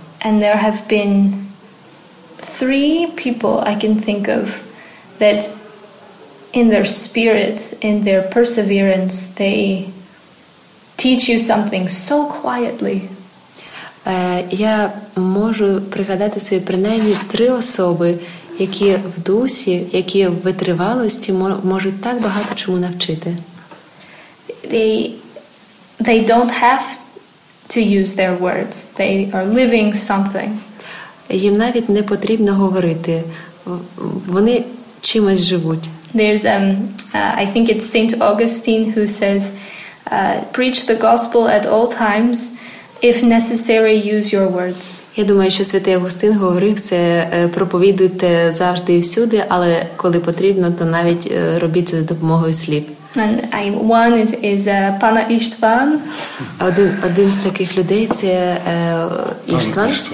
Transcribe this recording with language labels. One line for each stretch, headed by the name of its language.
English: And there have been three people I can think of that in their spirit, in their perseverance, they teach you something so quietly.
Ukrainian: Я можу пригадати собі принаймні три особи, які в дусі, які в витривалості можуть так багато чому навчити.
English: They don't have to use their words. They are living something.
Ukrainian: Їм навіть не потрібно говорити. Вони чимось живуть.
English: There's I think it's Saint Augustine who says preach the gospel at all times, if necessary use your words.
Ukrainian: Я думаю, що Святий Августин говорив це: проповідуйте завжди і всюди, але коли потрібно, то навіть робіть це за допомогою слів.
English: And one is Пана Іштван.
Ukrainian: Один з таких людей це Іштван.